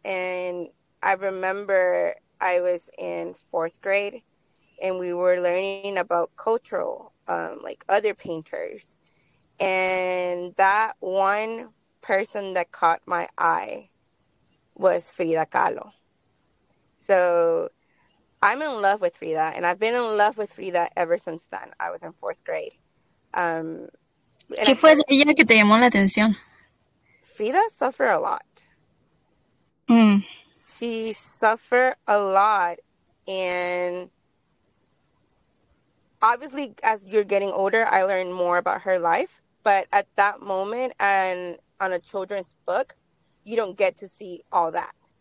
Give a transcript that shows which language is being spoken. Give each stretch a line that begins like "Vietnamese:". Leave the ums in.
English: And I remember I was in fourth grade and we were learning about cultural, um, like, other painters. And that one person that caught my eye was Frida Kahlo. So I'm in love with Frida, and I've been in love with Frida ever since then. I was in fourth grade. Um,
Spanish: ¿Qué fue de ella que te llamó la atención?
English: Frida suffered a lot. Mm. She suffered a lot, and obviously, as you're getting older, I learned more about her life. But at that moment, and on a children's book, you don't get to see all that.